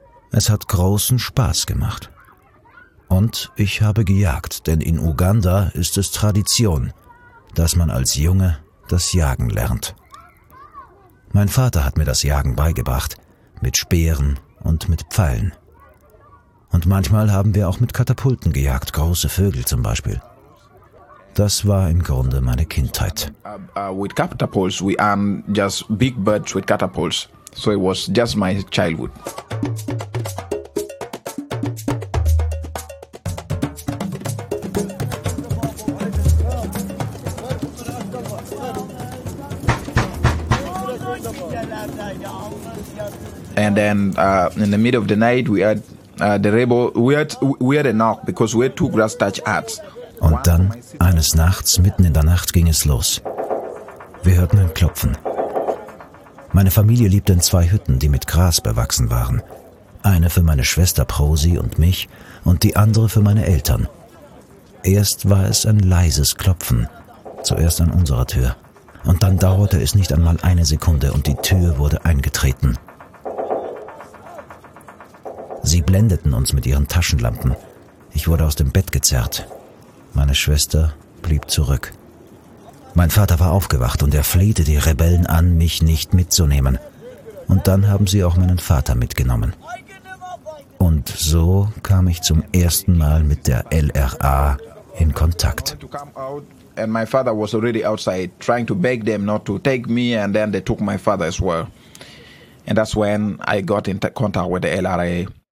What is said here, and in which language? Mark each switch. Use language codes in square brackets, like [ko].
[de] Es hat großen Spaß gemacht. Und ich habe gejagt, denn in Uganda ist es Tradition, dass man als Junge das Jagen lernt. Mein Vater hat mir das Jagen beigebracht, mit Speeren und mit Pfeilen. Und manchmal haben wir auch mit Katapulten gejagt, große Vögel zum Beispiel. Das war im Grunde meine Kindheit. [en] With catapults, we armed just big birds with catapults. So it was just my childhood. And then in the middle of the night we had [de] Und dann, eines Nachts, mitten in der Nacht, ging es los. Wir hörten ein Klopfen. Meine Familie lebte in 2 Hütten, die mit Gras bewachsen waren. Eine für meine Schwester Prosi und mich und die andere für meine Eltern. Erst war es ein leises Klopfen, zuerst an unserer Tür. Und dann dauerte es nicht einmal eine Sekunde und die Tür wurde eingetreten. Sie blendeten uns mit ihren Taschenlampen. Ich wurde aus dem Bett gezerrt. Meine Schwester blieb zurück. Mein Vater war aufgewacht und er flehte die Rebellen an, mich nicht mitzunehmen. Und dann haben sie auch meinen Vater mitgenommen. Und so kam ich zum ersten Mal mit der LRA in Kontakt. [en] And my father was already outside trying to beg them not to take me, and then they took my father as well. And that's when I got in contact with the LRA.